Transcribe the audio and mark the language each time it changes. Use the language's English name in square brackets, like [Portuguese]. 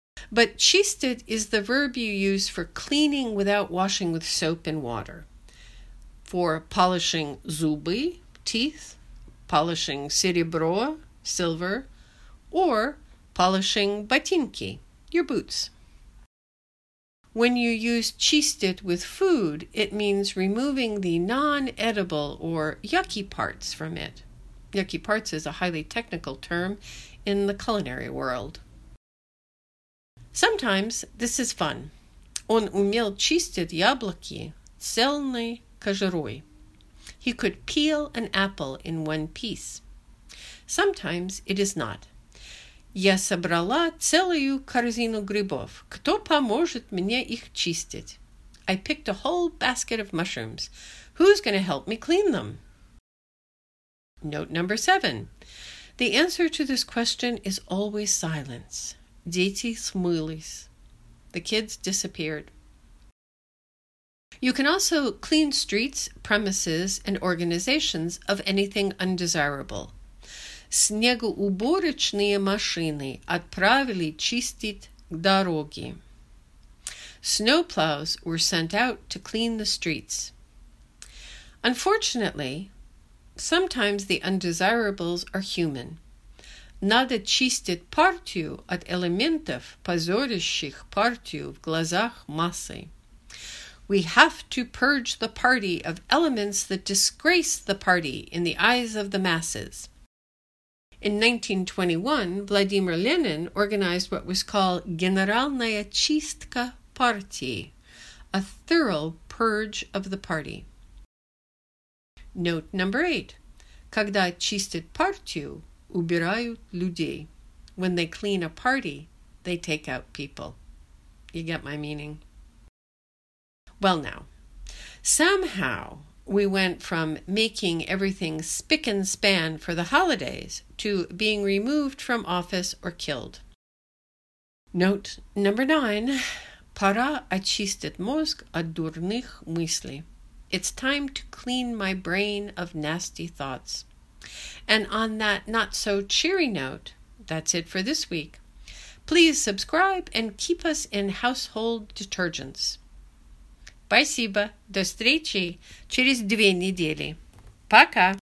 [English] But чистить is the verb you use for cleaning without washing with soap and water, for polishing зубы, teeth, polishing серебро, silver, or polishing ботинки, your boots. When you use чистить with food, it means removing the non-edible or yucky parts from it. Yucky parts is a highly technical term in the culinary world. Sometimes this is fun. [Russian] Он умел чистить яблоки цельной кожурой. [English] He could peel an apple in one piece. Sometimes it is not. [Russian] Я собрала целую корзину грибов. Кто поможет мне их чистить? [English] I picked a whole basket of mushrooms. Who's going to help me clean them? Note number 7. The answer to this question is always silence. [Russian] Дети смылись. [English] The kids disappeared. You can also clean streets, premises, and organizations of anything undesirable. [Russian] Снегоуборочные машины отправили чистить дороги. [English] Snowplows were sent out to clean the streets. Unfortunately, sometimes the undesirables are human. [Russian] Надо чистить партию от элементов, позорящих партию в глазах массы. [English] We have to purge the party of elements that disgrace the party in the eyes of the masses. In 1921, Vladimir Lenin organized what was called Generalnaya Chistka Partii, a thorough purge of the party. Note number 8. [Russian] Когда чистят партию, убирают людей. [English] When they clean a party, they take out people. You get my meaning. Well now, somehow we went from making everything spick and span for the holidays to being removed from office or killed. Note number 9. [Russian] Пора очистить мозг от дурных мыслей. [English] It's time to clean my brain of nasty thoughts. And on that not-so-cheery note, that's it for this week. Please subscribe and keep us in household detergents. [Russian] Спасибо. До встречи через 2 недели. Пока.